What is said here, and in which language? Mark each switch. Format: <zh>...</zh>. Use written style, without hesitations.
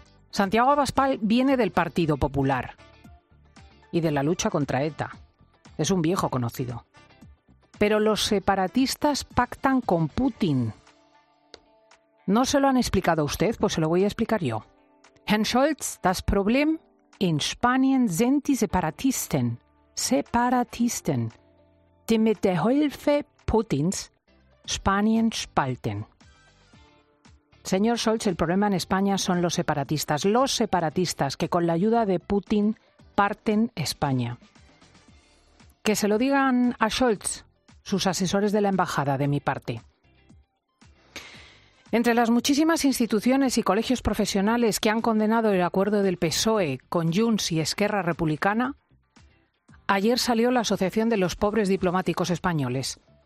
<es>Santiago Abascal viene del Partido Popular y de la lucha contra ETA. Es un viejo conocido. Pero los separatistas pactan con Putin. ¿No se lo han explicado a usted? Pues se lo voy a explicar yo.</es> <de>Herr Scholz, das Problem in Spanien sind die Separatisten. Separatisten, die mit der Hilfe Putins Spanien spalten.</de> <es>Señor Scholz, el problema en España son los separatistas. Los separatistas que con la ayuda de Putin parten España. Que se lo digan a Scholz, sus asesores de la embajada, de mi parte. Entre las muchísimas instituciones y colegios profesionales que han condenado el acuerdo del PSOE con Junts y Esquerra Republicana, ayer salió la Asociación de los Pobres Diplomáticos Españoles.</es>